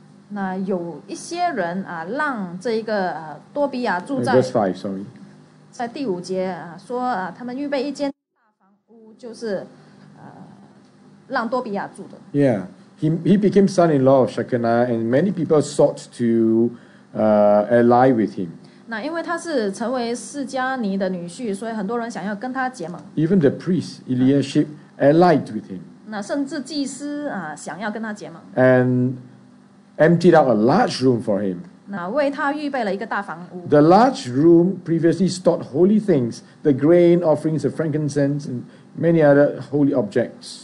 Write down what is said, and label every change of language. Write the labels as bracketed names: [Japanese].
[Chinese] 那有一些人让这一个多比亚住在 [English] verse 5, sorry. [Chinese] 在第五节说他们预备一间大房屋，就是让多比亚住的。 [English] Yeah, he became son-in-law of Shechaniah, and many people sought to ally with him. [Chinese] 那因为他是成为释迦尼的女婿，所以很多人想要跟他结盟。 [English] Even the priest Eliashib allied with him. [Chinese] 那甚至祭司想要跟他结盟。 [English] And emptied out a large room for him. [Chinese] 那为他预备了一个大房屋。 [English] The large room previously stored holy things, the grain offerings of frankincense and many other holy objects.